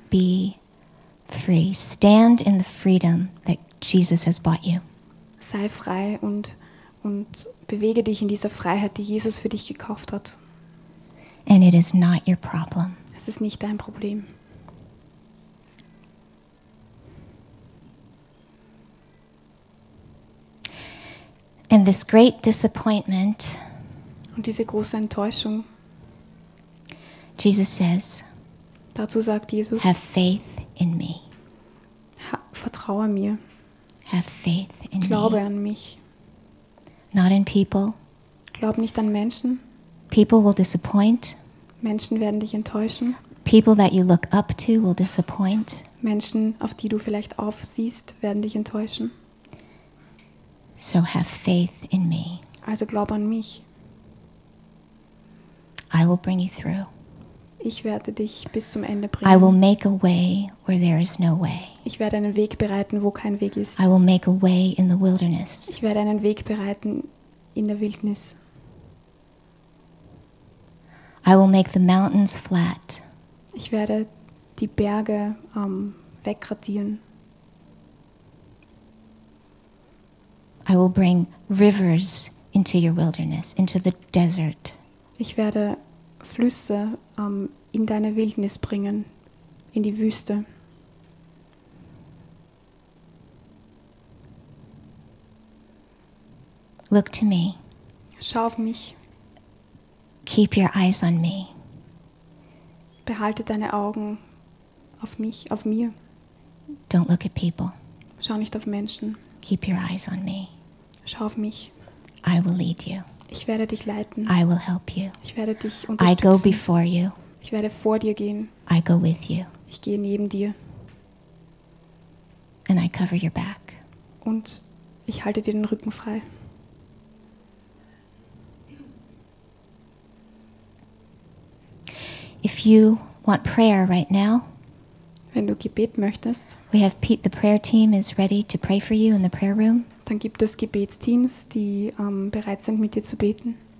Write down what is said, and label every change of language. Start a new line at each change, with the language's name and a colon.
English: Be free. Stand in the freedom that Jesus has bought you.
German: Sei frei und bewege dich in dieser Freiheit, die Jesus für dich gekauft hat.
English: And it is not your problem.
German: Es ist nicht dein Problem.
English: And this great disappointment.
German: Und diese große Enttäuschung.
English: Jesus says.
German: Dazu sagt Jesus.
English: Have faith in me.
German: Vertraue mir.
English: Have faith in me.
German: Glaube an mich.
English: Not in people.
German: Glaub nicht an Menschen.
English: People will disappoint.
German: Menschen werden dich enttäuschen.
English: People that you look up to will disappoint.
German: Menschen, auf die du vielleicht aufsiehst, werden dich enttäuschen.
English: So have faith in me.
German: Also glaub an mich.
English: I will bring you through.
German: Ich werde dich bis zum Ende bringen.
English: I will make a way where there is no way.
German: Ich werde einen Weg bereiten, wo kein Weg ist.
English: I will make a way in the wilderness.
German: Ich werde einen Weg bereiten in der Wildnis.
English: I will make the mountains flat.
German: Ich werde die Berge wegradieren.
English: I will bring rivers into your wilderness, into the desert.
German: Ich werde Flüsse in deine Wildnis bringen, in die Wüste.
English: Look to me.
German: Schau auf mich.
English: Keep your eyes on me.
German: Behalte deine Augen auf mich, auf mir.
English: Don't look at people.
German: Schau nicht auf Menschen.
English: Keep your eyes on me.
German: Schau auf mich.
English: I will lead you.
German: Ich werde dich leiten.
English: I will help you.
German: Ich werde dich unterstützen.
English: I go before you.
German: Ich werde vor dir gehen.
English: I go with you.
German: Ich gehe neben dir.
English: And I cover your back.
German: Und ich halte dir den Rücken frei.
English: You if you want prayer right now,
German: wenn du Gebet möchtest,
English: we have Pete, the prayer team is ready to pray for you in the prayer room.
German: Dann gibt es Gebetsteams, die bereit sind, mit dir zu beten.